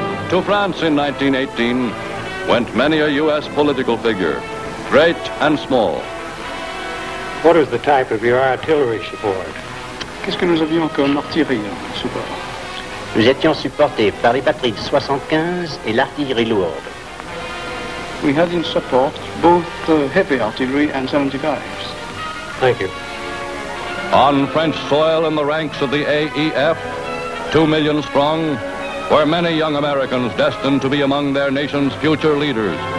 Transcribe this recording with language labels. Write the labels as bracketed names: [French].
[English] To France in 1918 went many a U.S. political figure, great and small. What is the type of your artillery support? [French] Qu'est-ce que nous avions comme artillerie support? Nous étions supportés par les batteries 75 et l'artillerie lourde. [English] We had in support both heavy artillery and 75s. Thank you. On French soil in the ranks of the AEF, 2 million strong, were many young Americans destined to be among their nation's future leaders.